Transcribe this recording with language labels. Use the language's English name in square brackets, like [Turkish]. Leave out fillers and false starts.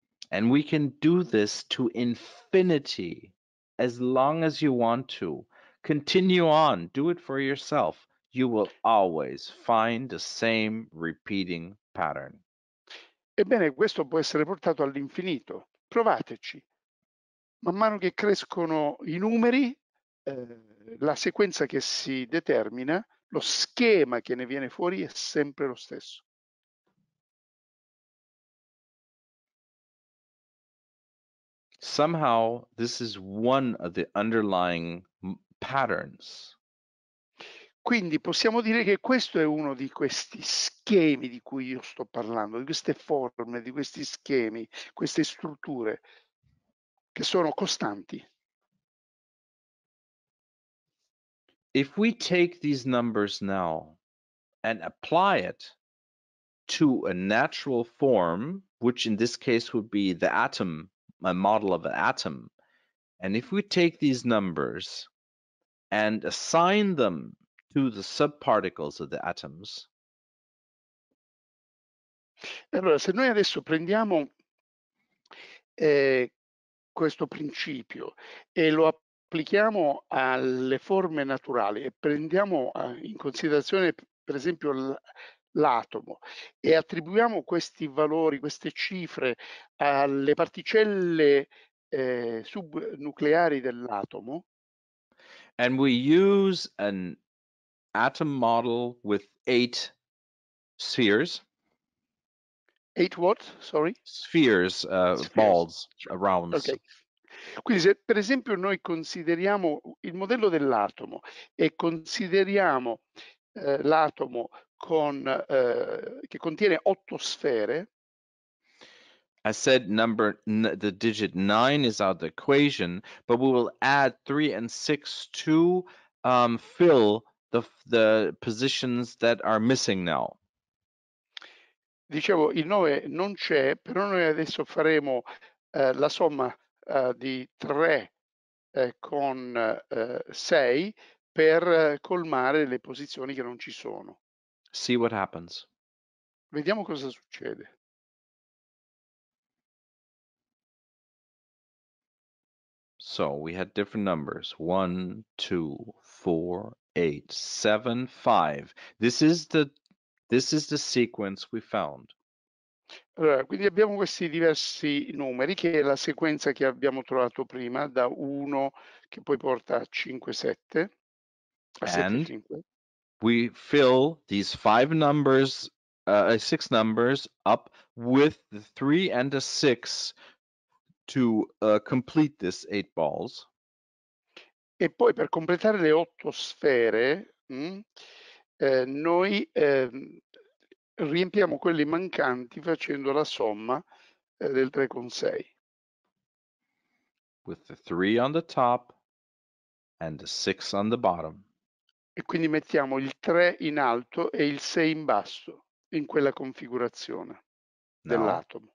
[English] And we can do this to infinity as long as you want to. Continue on, do it for yourself. You will always find the same repeating pattern. [Italian] Ebbene, questo può essere portato all'infinito. Provateci. Man mano che crescono i numeri, la sequenza che si determina, lo schema che ne viene fuori è sempre lo stesso. [English] Somehow, this is one of the underlying patterns. [Italian] Quindi possiamo dire che questo è uno di questi schemi di cui io sto parlando, di queste forme, di questi schemi, queste strutture che sono costanti. [English] If we take these numbers now and apply it to a natural form, which in this case would be the atom, a model of an atom, and if we take these numbers and assign them to the subparticles of the atoms. [Italian] Allora, se noi adesso prendiamo questo principio e lo applichiamo alle forme naturali e prendiamo in considerazione, per esempio, l'atomo e attribuiamo questi valori, queste cifre alle particelle subnucleari dell'atomo. [English] And we use an atom model with 8 spheres. 8 what? Sorry? Spheres, balls, rounds. Okay. [Italian] Quindi se per esempio noi consideriamo il modello dell'atomo e consideriamo l'atomo con che contiene 8 sfere. [English] I said number the digit 9 is out of the equation, but we will add 3 and 6 to fill the positions that are missing now. [Italian] Dicevo, il 9 non c'è, però noi adesso faremo la somma di 3 con 6 per colmare le posizioni che non ci sono. [English] See what happens. [Italian] Vediamo cosa succede. [English] So we had different numbers. 1, 2, 4, 8, 7, 5. This is the sequence we found. [Italian] Allora, quindi abbiamo questi diversi numeri, che è la sequenza che abbiamo trovato prima, da 1 che poi porta a 5, 7. [English] And we fill these five numbers, six numbers up with the 3 and the 6 to complete this 8 balls. [Italian] E poi per completare le 8 sfere, noi riempiamo quelli mancanti facendo la somma del 3 con 6. [English] With the 3 on the top and the 6 on the bottom. [Italian] E quindi mettiamo il 3 in alto e il 6 in basso, in quella configurazione dell'atomo.